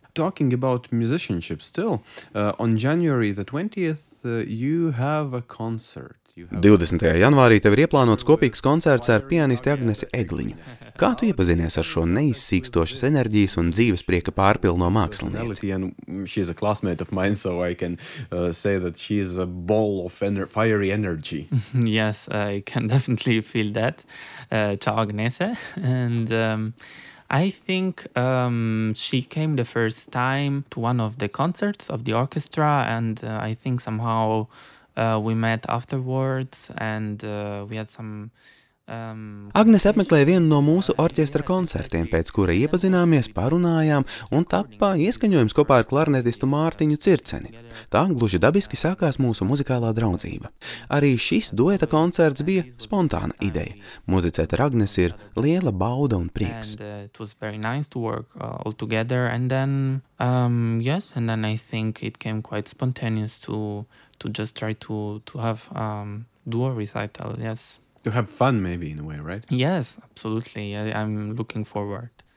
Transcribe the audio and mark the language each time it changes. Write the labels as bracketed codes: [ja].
[en] Talking about musicianship still, on January the 20th, you have a concert. [lv] 20. janvārī tev ir ieplānots kopīgs koncerts ar pianisti Agnesi Egliņu. Kā tu iepazinies ar šo neizsīkstošas enerģijas un dzīves prieka pārpilno mākslinieci? [en] She is a classmate of mine, so I can say that she is a ball of fiery energy. Yes, I can definitely feel that. [it] Ciao [en] Agnese. And I think she came the first time to one of the concerts of the orchestra, and I think somehow we met afterwards and we had some [lv] Agnes apmeklēja vienu no mūsu orķestra koncertiem, pēc kura iepazināmies, parunājām un tappa ieskaņojums kopā ar klarnetistu Mārtiņu Circeni. Tā gluži dabiski sākās mūsu muzikālā draudzība. Arī šis dueta koncerts bija spontāna ideja. Muzicēt ar Agnes ir liela bauda un prieks. [en] It was very nice to work all together and then yes and then I think it came quite spontaneous to just try to have duo recital, yes. To have fun maybe in a way, right? Yes, absolutely. I'm looking forward.